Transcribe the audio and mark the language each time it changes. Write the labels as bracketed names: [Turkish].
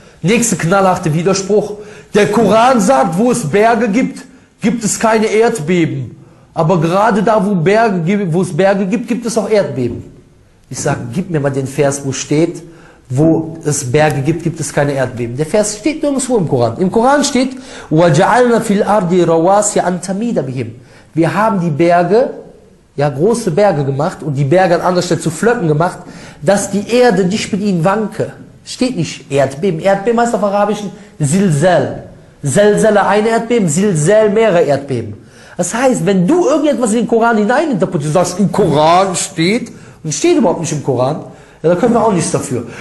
[German] Nächste knallharte Widerspruch. Der Koran sagt, wo es Berge gibt, gibt es keine Erdbeben. Aber gerade da, wo es Berge gibt, gibt es auch Erdbeben. Ich sage, gib mir mal den Vers, wo steht, wo es Berge gibt, gibt es keine Erdbeben. Der Vers steht nirgendwo im Koran. Im Koran steht, [Arabic] وَجَعَلْنَا فِي الْأَرْضِ رَوَاسِيَ أَنْ تَمِيدَ بِهِمْ. [German] Wir haben die Berge, ja, große Berge gemacht und die Berge an anderer Stelle zu Flöcken gemacht, dass die Erde nicht mit ihnen wanke. Steht nicht Erdbeben. Erdbeben heißt auf Arabischen Zilzal. Zilzal ein Erdbeben, Zilzal mehrere Erdbeben. Das heißt, wenn du irgendetwas in den Koran hineininterpretierst, sagst, im Koran steht, und steht überhaupt nicht im Koran, ja, da können wir auch nichts dafür.